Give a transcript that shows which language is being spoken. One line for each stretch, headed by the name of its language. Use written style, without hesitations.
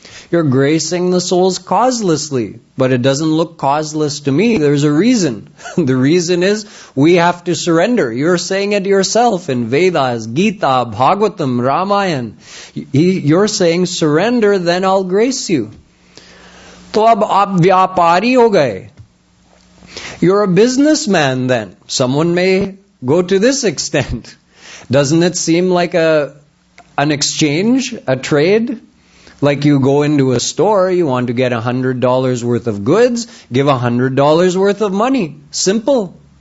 English: You're gracing the souls causelessly, but it doesn't look causeless to me. There's a reason. The reason is we have to surrender. You're saying it yourself in Vedas, Gita, Bhagavatam, Ramayan. You're saying, surrender, then I'll grace you.
Hindi: तो अब आप व्यापारी हो गये.
English: You're a businessman then. Someone may go to this extent. Doesn't it seem like an exchange, a trade? Like you go into a store, you want to get $100 worth of goods, give $100 worth of money. Simple.